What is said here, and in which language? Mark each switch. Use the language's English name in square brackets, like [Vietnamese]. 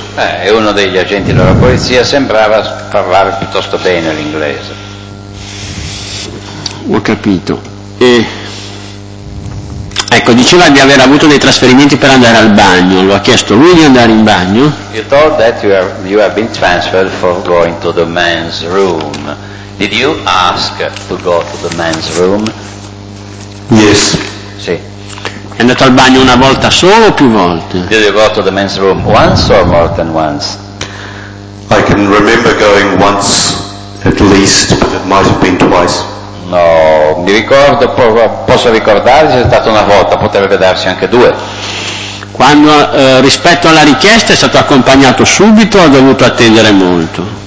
[Italian] E uno degli agenti della polizia sembrava parlare piuttosto bene l'inglese. Ho capito. E ecco, diceva di aver avuto dei trasferimenti per andare al bagno. Lo ha chiesto lui di andare in bagno. [English] You told that you have been transferred for going to the men's room. Did you ask to go to the men's room? Yes. [Italian] Sì. È andato al bagno una volta solo o più volte? [English] Did you go to the men's room once or more than once? I can remember going once at least, but it might have been twice. [Italian] No, mi ricordo, posso ricordare se è stata una volta, potrebbe darsi anche due. Quando rispetto alla richiesta è stato accompagnato subito o ha dovuto attendere molto?